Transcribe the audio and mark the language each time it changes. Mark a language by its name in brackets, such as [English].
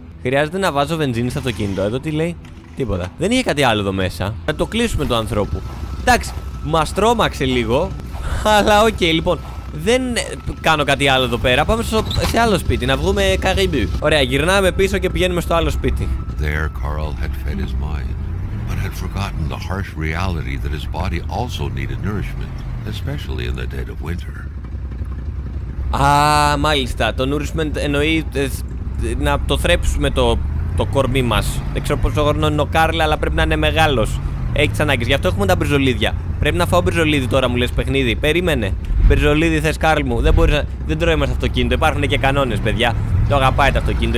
[Greek] Χρειάζεται να βάζω βενζίνη στο αυτοκίνητο, εδώ τι λέει. Τίποτα. Δεν είχε κάτι άλλο εδώ μέσα. Θα το κλείσουμε το ανθρώπου. Εντάξει, μας τρόμαξε λίγο. Αλλά οκ, okay, λοιπόν. Δεν κάνω κάτι άλλο εδώ πέρα. Πάμε σε άλλο σπίτι, να βγούμε καρύμπι. Ωραία, γυρνάμε πίσω και πηγαίνουμε στο άλλο σπίτι. [English] There, Carl had fed his mind, but had forgotten the harsh reality that his body also needed nourishment, especially in the dead of winter. [Greek] Α, μάλιστα. Το nourishment εννοεί να το θρέψουμε το κορμί μας. Δεν ξέρω πόσο χρόνο είναι ο Κάρλ, αλλά πρέπει να είναι μεγάλος. Έχει τις ανάγκες. Γι' αυτό έχουμε τα μπριζολίδια. Πρέπει να φάω μπριζολίδι τώρα, μου λες παιχνίδι. Περίμενε. Μπριζολίδι θες, Κάρλ μου. Δεν τρώει μας αυτοκίνητο. Υπάρχουν και κανόνες, παιδιά. Το αγαπάει το αυτοκίνητο.